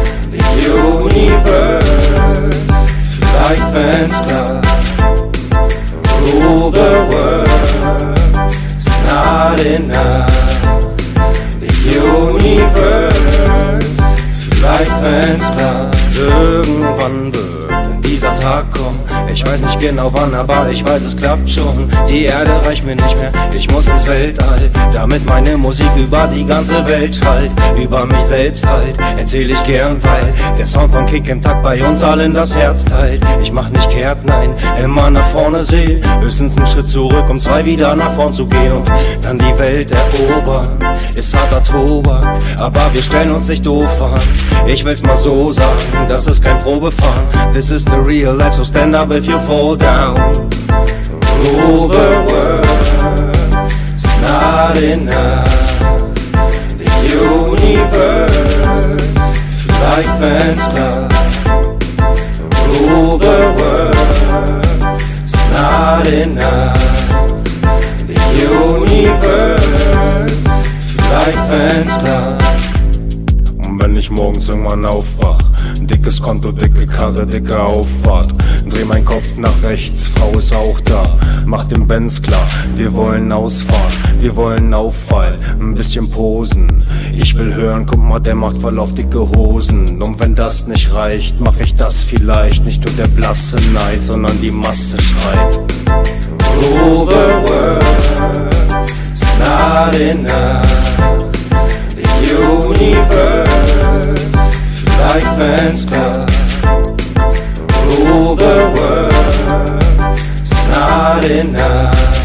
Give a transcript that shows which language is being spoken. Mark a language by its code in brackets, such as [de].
[en] The universe, life and stuff. Rule the world's not enough. The universe, life and stuff. [de] Irgendwann wird in dieser Tag kommen. Ich weiß nicht genau wann, aber ich weiß, es klappt schon. Die Erde reicht mir nicht mehr, ich muss ins Weltall. Damit meine Musik über die ganze Welt schallt. Über mich selbst halt, erzähl ich gern, weil der Sound von Kick im Takt bei uns allen das Herz teilt. Ich mach nicht kehrt, nein, immer nach vorne sehen. Höchstens einen Schritt zurück, um zwei wieder nach vorn zu gehen. Und dann die Welt erobern, ist harter Tobak. Aber wir stellen uns nicht doof an. Ich will's mal so sagen, das ist kein Probefahren. [en] This is the real life, so stand up if you fall down. Rule the world's not enough. The universe, life and stuff. Rule the world's not enough. The universe, life and stuff. [de] Wenn ich morgens irgendwann aufwach, dickes Konto, dicke Karre, dicke Auffahrt. Dreh mein Kopf nach rechts, Frau ist auch da. Mach den Benz klar, wir wollen ausfahren. Wir wollen auffallen, ein bisschen posen. Ich will hören, guck mal, der macht voll auf dicke Hosen. Und wenn das nicht reicht, mach ich das vielleicht. Nicht nur der blasse Neid, sondern die Masse schreit. [en] Rule the world's not enough. The universe, life and stuff. Rule the world's not enough.